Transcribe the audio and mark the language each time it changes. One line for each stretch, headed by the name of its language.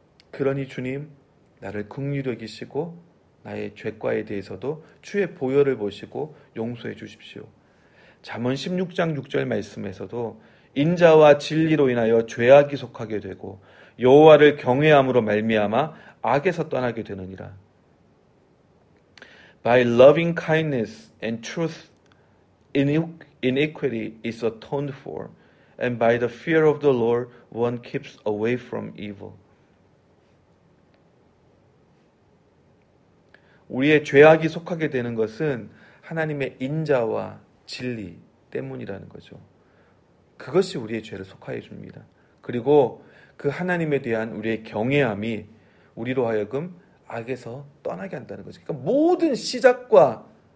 Korean: 그러니 주님, 나를 긍휼히 여기시고 나의 죄과에 대해서도 주의 보혈을 보시고 용서해 주십시오. 잠언 16장 6절 말씀에서도 인자와 진리로 인하여 죄악이 속하게 되고 여호와를 경외함으로 말미암아 악에서 떠나게 되느니라.
English: By loving kindness and truth iniquity is atoned for, and by the fear of the Lord one keeps away from evil.
Korean: 우리의 죄악이 속하게 되는 것은 하나님의 인자와 진리 때문이라는 거죠. 그것이 우리의 죄를 속하여 줍니다. 그리고 그 하나님에 대한 우리의 경외함이 우리로 하여금 악에서 떠나게 한다는 거죠. 그러니까 모든 시작과